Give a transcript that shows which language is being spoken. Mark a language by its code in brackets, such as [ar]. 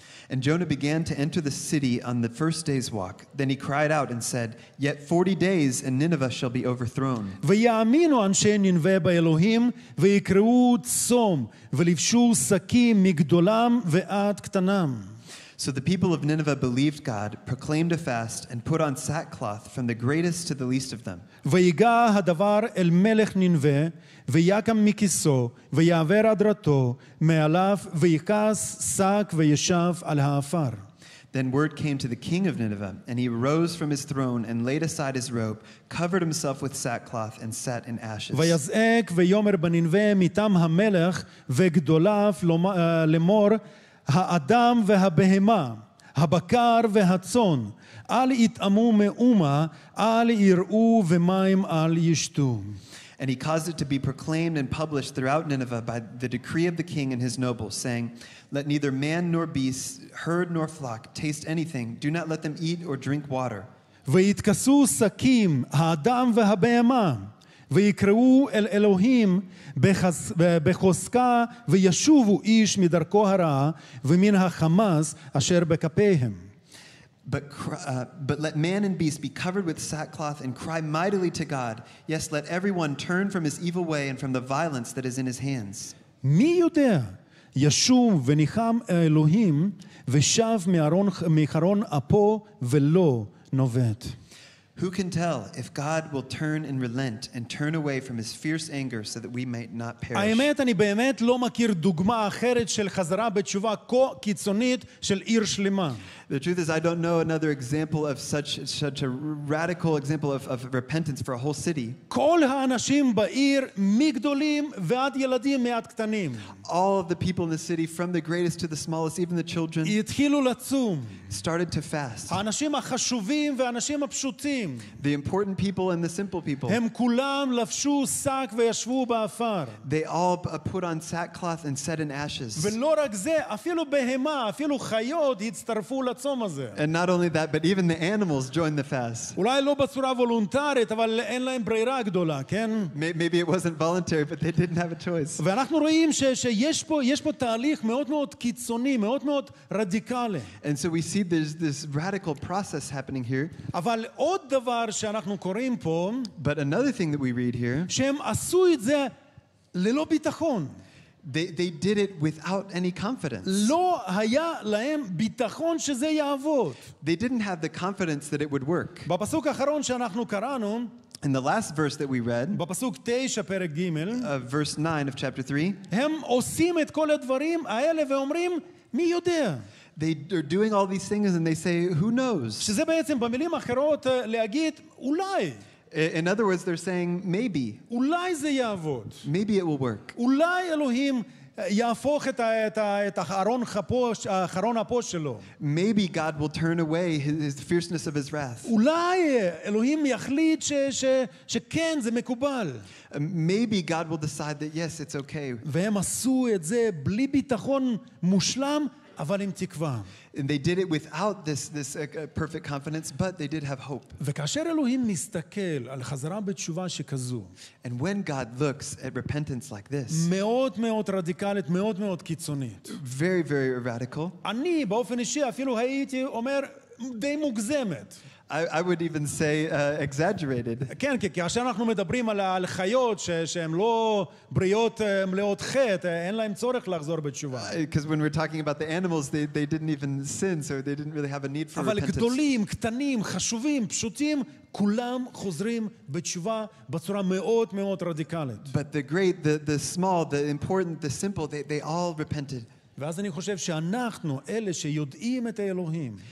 [en] And Jonah began to enter the city on the first day's walk. Then he cried out and said, "Yet 40 days and Nineveh shall be overthrown." [he] ויאמינו אנשי נינווה באלוהים ויקראו צום ולבשו שקים מגדולם ועד קטנם. [en] So the people of Nineveh believed God, proclaimed a fast, and put on sackcloth from the greatest to the least of them. [he] ויגע הדבר אל מלך נינווה ויקם מכיסו ויעבר הדרתו מעליו ויכס שק וישב על האפר. [en] Then word came to the king of Nineveh, and he rose from his throne and laid aside his robe, covered himself with sackcloth, and sat in ashes. [he] ויזעק ויאמר בנינווה מטעם המלך וגדוליו לאמור האדם והבהמה, הבקר והצאן, אל יתאמו מאומה, אל יראו ומים אל ישתו. [en] And he caused it to be proclaimed and published throughout Nineveh by the decree of the king and his nobles, saying, "Let neither man nor beast, herd nor flock, taste anything. Do not let them eat or drink water." [he] ויתכסו שקים, האדם והבהמה, ויקראו אל אלוהים בחוזקה, וישובו איש מדרכו הרעה, ומן החמאס אשר בכפיהם. [en] But let man and beast be covered with sackcloth and cry mightily to God. Yes, let everyone turn from his evil way and from the violence that is in his hands. [he] מי יודע? ישום וניחם אלוהים ושב מחרון אפו ולא נובט. [en] Who can tell if God will turn and relent and turn away from his fierce anger so that we might not perish? [he] האמת, אני באמת לא מכיר דוגמה אחרת של חזרה בתשובה כה קיצונית של עיר שלמה. [en] The truth is, I don't know another example of such a radical example of repentance for a whole city. [he] כל האנשים בעיר, מגדולים ועד ילדים מעט קטנים. [en] All of the people in the city, from the greatest to the smallest, even the children, [he] התחילו לצום. [en] Started to fast. [he] האנשים החשובים והאנשים הפשוטים. [en] The important people and the simple people. [he] הם כולם לבשו שק וישבו באפר. [en] They all put on sackcloth and sat in ashes. [he] ולא רק זה, אפילו בהמה, אפילו חיות הצטרפו. [en] And not only that, but even the animals joined the fast. [he] אולי לא בצורה וולונטרית, אבל אין להם ברירה גדולה, כן? [en] Maybe it wasn't voluntary, but they didn't have a choice. [he] ואנחנו רואים שיש פה תהליך מאוד מאוד קיצוני, מאוד מאוד רדיקלי. [en] And so we see there's this radical process happening here. [he] אבל עוד דבר שאנחנו קוראים פה, [en] but another thing that we read here, [he] שהם עשו את זה ללא ביטחון. [en] They did it without any confidence. [he] לא היה להם ביטחון שזה יעבוד. [en] They didn't have the confidence that it would work. [he] בפסוק האחרון שאנחנו קראנו, [en] in the last verse that we read, [he] בפסוק 9 פרק ג', [en] verse 9 of chapter 3, [he] הם עושים את כל הדברים האלה ואומרים, מי יודע? [en] They are doing all these things and they say, who knows? [he] שזה בעצם במילים אחרות להגיד, אולי. [en] In other words, they're saying, maybe. [he] אולי זה יעבוד. [en] Maybe it will work. [he] אולי אלוהים יהפוך את חרון אפו שלו. [en] Maybe God will turn away his fierceness of his wrath. [he] אולי אלוהים יחליט שכן, זה מקובל. [en] Maybe God will decide that, yes, it's okay. [he] והם עשו את זה בלי ביטחון מושלם, אבל עם תקווה. [en] And they did it without this perfect confidence, but they did have hope. [he] וכאשר אלוהים מסתכל על חזרה בתשובה שכזו, [en] and when God looks at repentance like this, [he] מאוד מאוד רדיקלית, מאוד מאוד קיצונית, [en] very very radical, [he] אני באופן אישי אפילו הייתי אומר די מוגזמת. [en] I would even say exaggerated. [he] כן, כי כאשר אנחנו מדברים על חיות שהן לא בריאות מלאות חטא, אין להם צורך לחזור בתשובה. [en] Because when we're talking about the animals, they didn't even sin, so they didn't really have a need for [he] אבל גדולים, קטנים, חשובים, פשוטים, כולם חוזרים בתשובה בצורה מאוד מאוד רדיקלית. [en] But the great, the small, the important, the simple, they all repented. [he] ואז אני חושב שאנחנו אלה שיודעים את האלוהים.